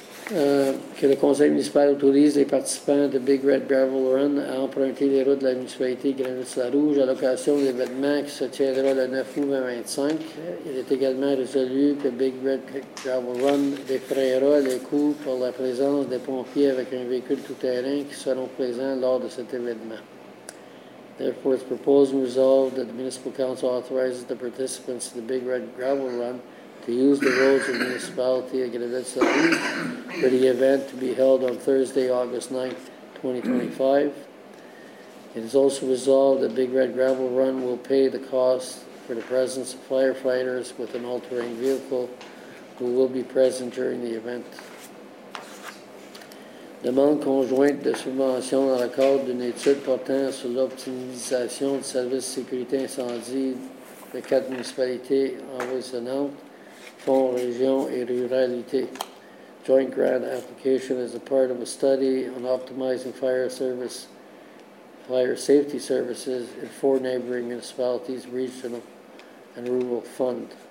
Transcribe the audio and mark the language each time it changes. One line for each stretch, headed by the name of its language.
French: Que le conseil municipal autorise les participants de Big Red Gravel Run à emprunter les routes de la municipalité Grenville-sur-la-Rouge à l'occasion de l'événement qui se tiendra le 9 août 2025. Il est également résolu que Big Red Gravel Run défrayera les coûts pour la présence des pompiers avec un véhicule tout-terrain qui seront présents lors de cet événement.
English: Therefore, it's proposed and resolved that the municipal council authorizes the participants in the Big Red Gravel Run to use the roads of the municipality of Grenville-sur-la-Rouge for the event to be held on Thursday, August 9, 2025. It is also resolved that Big Red Gravel Run will pay the cost for the presence of firefighters with an all-terrain vehicle who will be present during the event.
French: Demande conjointe de subvention dans le cadre d'une étude portant sur l'optimisation du service de sécurité incendie de quatre municipalités environnantes.
English: Fonds Région et Ruralité. Joint grant application is a part of a study on optimizing fire safety services in four neighboring municipalities, regional and rural fund.